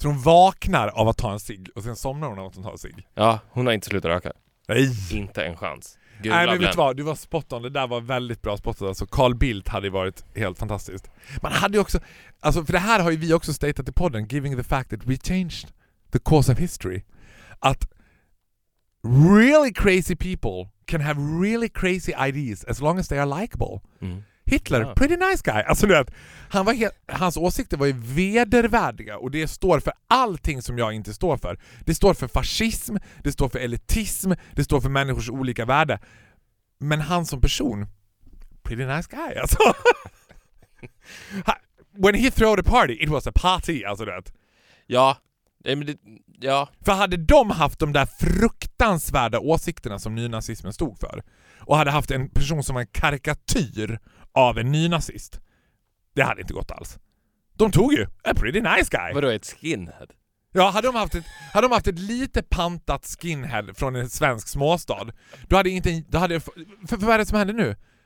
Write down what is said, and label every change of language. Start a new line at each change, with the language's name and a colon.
Swedish: Så hon vaknar av att ta en cigg och sen somnar hon av att ta en cigg. Ja, hon har inte slutat röka. Nej. Inte en chans. Gud, nej, men vet du vad? Du var spot on. Det där var väldigt bra spot on. Alltså, Carl Bildt hade varit helt fantastiskt. Man hade ju också... Alltså, för det här har ju vi också statat i podden.
English: Giving the fact that we changed the course of history. Att really crazy people can have really crazy ideas as long as they are likable. Mm. Hitler, ja. Pretty nice guy.
Swedish: Alltså, du vet, han var hans åsikter var ju vedervärdiga och det står för allting som jag inte står för. Det står för fascism, det står för elitism, det står för människors olika värde. Men han som person,
English: pretty nice guy.
Swedish: Alltså.
English: When he threw the party, it was a party.
Swedish: Alltså, du vet. Ja. Ja. För hade de haft de där fruktansvärda åsikterna som nynazismen stod för och hade haft en person som var en karikatyr av en nynazist, det hade inte gått alls. De tog ju
English: a pretty nice guy.
Swedish: Vadå, ett skinhead? Ja, hade de haft ett lite pantat skinhead från en svensk småstad, då hade inte, då hade, för vad är det som händer nu?